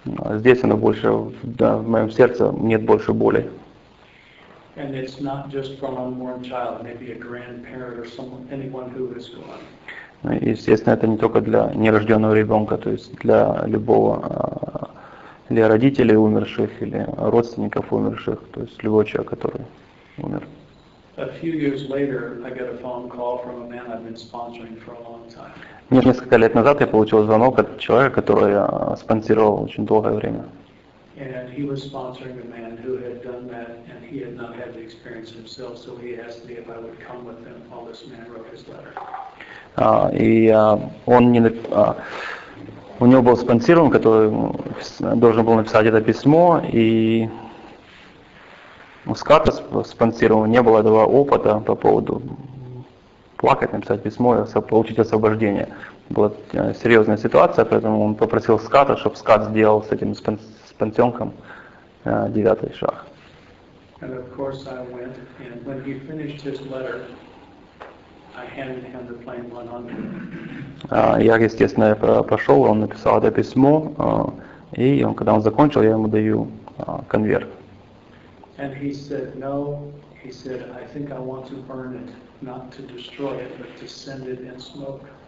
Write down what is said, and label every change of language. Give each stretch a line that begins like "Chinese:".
Russian: Здесь оно больше, в моем сердце нет больше боли.
English: And it's not just from an unborn child, maybe a grandparent or anyone who has gone.
Russian: Естественно, это не только для нерожденного ребенка, то есть для любого, для родителей умерших или родственников умерших, то есть любого человека, который умер.
English: A few years later, I got a phone call from a man I've been sponsoring for a long time.
Russian: Несколько лет назад я получил звонок от человека, которого я спонсировал очень долгое время.
English: And he was sponsoring a man who had done that, and he had not had the experience himself, so he asked me if I would come with him while this man wrote his letter.
Russian: У него был спонсирован, который должен был написать это письмо, и у Скарта спонсирован не было этого опыта по поводу плакать, написать письмо и получить освобождение. Была серьезная ситуация, поэтому он попросил Ската, чтобы Скат сделал с этим спонсенком девятый шаг.
English: And of course I went, and when he finished his letter, I handed him the plain 100.
Russian: Я, естественно, пошел, он написал это письмо, и он, когда он закончил, я ему даю конверт.
English: And he said, no, he said, I think I want to burn it, not to destroy it, but to send it in smoke.